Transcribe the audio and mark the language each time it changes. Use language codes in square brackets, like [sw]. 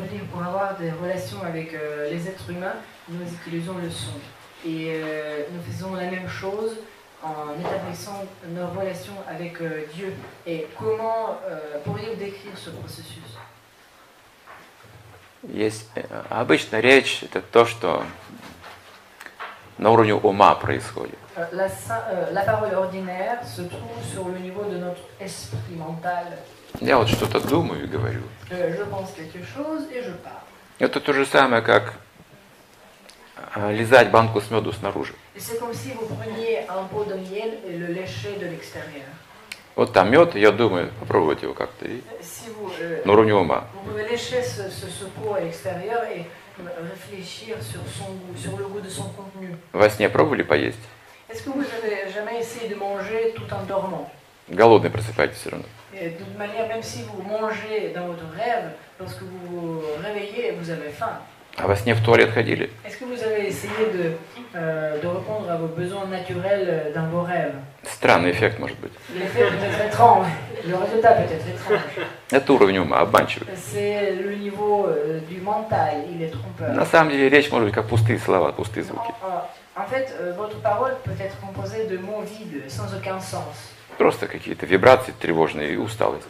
[fr] Pour avoir des relations avec les êtres humains, nous utilisons le son. Et nous faisons la même chose en établissant nos relations avec Dieu. Et comment pourriez-vous décrire ce processus ? [ru] Обычно речь – это то, что на уровне ума происходит. [fr] La parole ordinaire se trouve sur le niveau de notre esprit mental. [ru] Я вот что-то думаю и говорю. [fr] Je pense quelque chose et je parle. [ru] Это то же самое, как лизать банку с мёдом снаружи. [fr] C'est comme si vous preniez un pot de miel et le léchez de l'extérieur. [ru] Вот там мёд, я думаю, попробовать его как-то. [fr] Si vous, [ru] на уровне ума. [fr] Vous pouvez lécher ce pot à l'extérieur et réfléchir sur son goût, sur le goût de son contenu. [ru] Во сне пробовали поесть? [fr] Est-ce que vous avez jamais essayé de manger tout en dormant? [ru] Голодный просыпаетесь всё равно. [fr] D'une manière, même si vous mangez dans votre rêve, lorsque vous vous réveillez, vous avez faim. [ru] А во сне в туалет ходили? [fr] Est-ce que vous avez essayé de répondre à vos besoins naturels dans vos rêves? [ru] Странный эффект, может быть. [fr] L'effet peut être étrange. Le résultat peut être étrange. [ru] Это уровень ума, обманчивый. [fr] C'est le niveau du mental, il est trompeur. [ru] На самом деле, речь может быть как пустые слова, пустые звуки. [fr] En fait, votre parole peut être composée de mots vides, sans aucun sens. [ru] Просто какие-то вибрации тревожные и усталость.